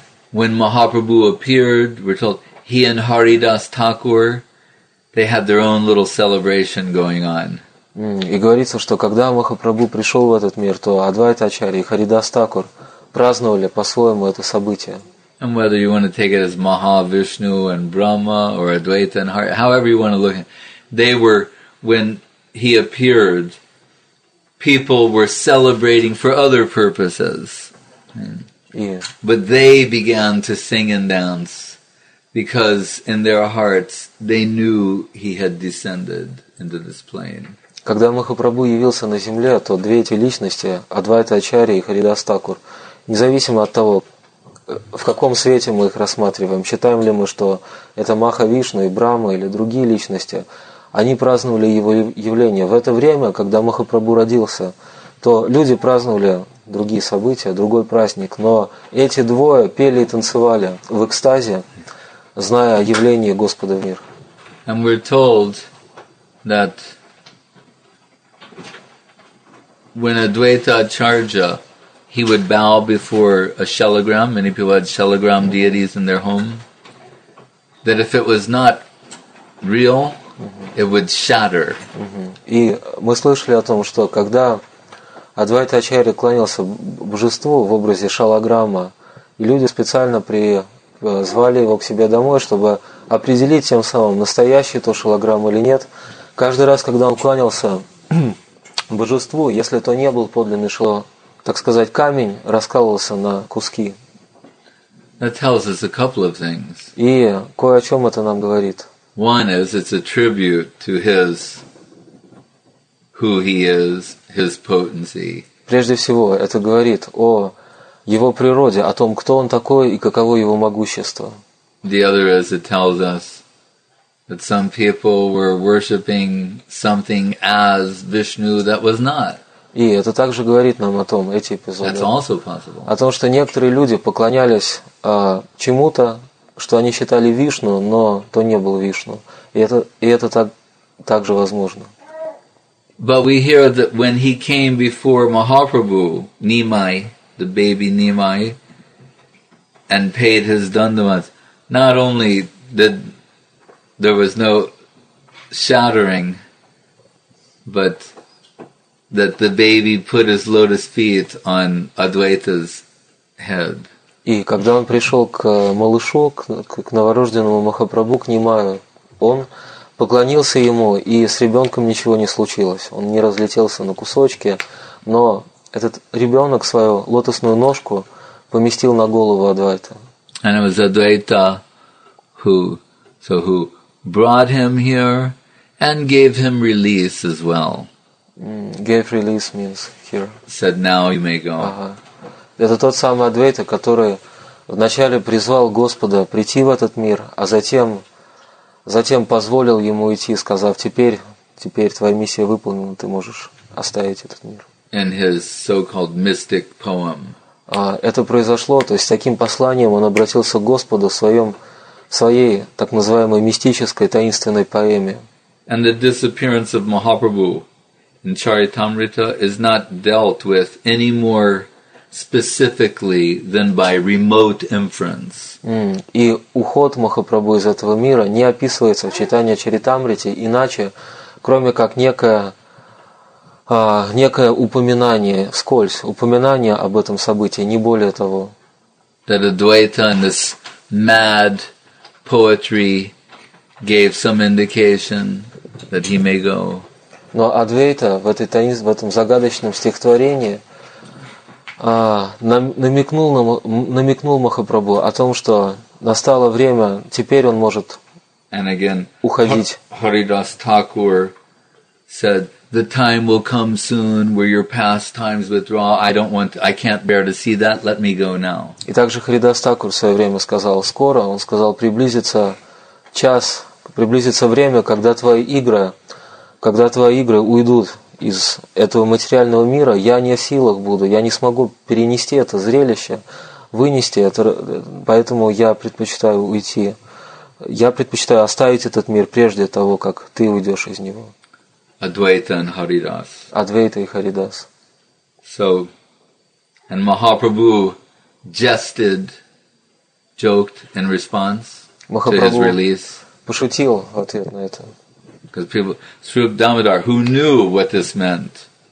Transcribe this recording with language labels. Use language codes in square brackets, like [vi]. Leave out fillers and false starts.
[en] When Mahaprabhu appeared, we're told he and Haridas Thakur, they had their own little celebration going on. [ru] И говорится, что когда Махапрабху пришел в этот мир, то Адвайта Ачарья и Харидас Такур праздновали по-своему это событие. [en] And whether you want to take it as Mahavishnu and Brahma or Advaita and Haridas, however you want to look at it, they were, when he appeared, people were celebrating for other purposes. But they began to sing and dance because in their hearts they knew he had descended into this plane. [ru] Когда Махапрабху явился на земле, то две эти личности, Адвайта Ачарья и Харидас Такур, независимо от того, в каком свете мы их рассматриваем, считаем ли мы, что это Махавишна и Брама или другие личности, они праздновали его явление. В это время, когда Махапрабху родился, то люди праздновали другие события, другой праздник, но эти двое пели и танцевали в экстазе, зная о явлении Господа в мир. [en] And we're told that when Advaita Acharya, he would bow before a shalagram, many people had shalagram deities in their home, that if it was not real, it would shatter. [ru] И мы слышали о том, что когда Адвайта Ачарья клонился божеству в образе шалограмма, и люди специально призвали его к себе домой, чтобы определить тем самым, настоящий то шалограмм или нет. Каждый раз, когда он клонился божеству, если то не был подлинный шалограмм, так сказать, камень раскалывался на куски. [en] That tells us a couple of things. [ru] И кое о чем это нам говорит. [en] One is it's a tribute to his who he is, his potency. [ru] Прежде всего, это говорит о его природе, о том, кто он такой и каково его могущество. [en] The other is it tells us that some people were worshiping something as Vishnu that was not. [ru] И это также говорит нам о том, эти эпизоды. [en] That's also possible. [ru] О том, что некоторые люди поклонялись чему-то, что они считали Вишну, но то не был Вишну. И это также возможно. [en] But we hear that when he came before Mahaprabhu, Nimai, the baby Nimai, and paid his dandamas, not only did there was no shattering, but that the baby put his lotus feet on Advaita's head. [ru] И когда он пришел к малышу, к новорожденному Махапрабху, к Нимаю, он поклонился ему, и с ребенком ничего не случилось. Он не разлетелся на кусочки, но этот ребенок свою лотосную ножку поместил на голову Адвайта. [en] And it was Advaita who brought him here and gave him release as well. Gave release means here. Said, now you may go. [ru] Это тот самый Адвайта, который вначале призвал Господа прийти в этот мир, а затем позволил ему идти, сказав, теперь твоя миссия выполнена, ты можешь оставить этот мир. [en] In his so-called mystic poem. [ru] Это произошло, то есть таким посланием он обратился к Господу в своей так называемой мистической таинственной поэме. [en] and the disappearance of Mahaprabhu in Charitamrita is not dealt with any more specifically than by remote inference. [ru] И уход Махапрабху из этого мира не описывается в читании Чаритамриты иначе, кроме как некое упоминание вскользь, упоминание об этом событии, не более того. [en] That Advaita in this mad poetry gave some indication that he may go. [ru] Но Адвейта в этом загадочном стихотворении намекнул Махапрабху о том, что настало время, теперь он может уходить. [en] Харидас Такур said, "The time will come soon where your pastimes withdraw. I can't bear to see that. Let me go now." [ru] И также Харидас Такур в свое время сказал: "Скоро", он сказал, "приблизится час, приблизится время, когда твои игры уйдут из этого материального мира, я не в силах буду, я не смогу перенести это зрелище, вынести это, поэтому я предпочитаю уйти, я предпочитаю оставить этот мир прежде того, как ты уйдешь из него." [en] Advaita and Haridas. [ru] Advaita и Haridas. [en] So, and Mahaprabhu jested, joked in response to his release. [ru] Пошутил в ответ на это. [en] Because people, Srirup Damodar, who knew what this meant?